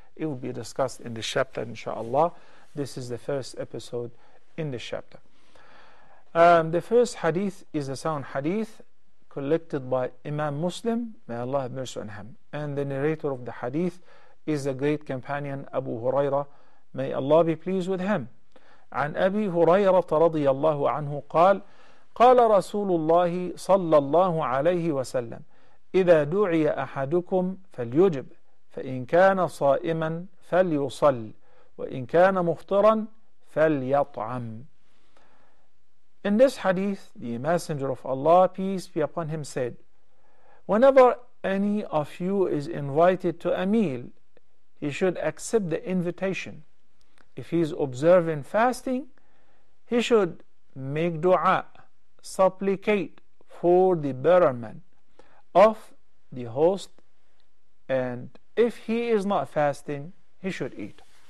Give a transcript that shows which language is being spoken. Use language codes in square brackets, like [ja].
[en] It will be discussed in the chapter inshallah. This is the first episode in the chapter. The first hadith is a sound hadith collected by Imam Muslim, may Allah have mercy on him. And the narrator of the hadith is the great companion Abu Huraira, may Allah be pleased with him. [ar] عن أبي هريرة رضي الله عنه قال قال رسول الله صلى الله عليه وسلم إذا دعي أحدكم فليجب فإن كان صائما فليصل وإن كان مفطرا فليطعم. [en] In this hadith, the Messenger of Allah, peace be upon him, said, whenever any of you is invited to a meal, he should accept the invitation. If he is observing fasting, he should make dua, supplicate for the betterment of the host, and if he is not fasting, he should eat.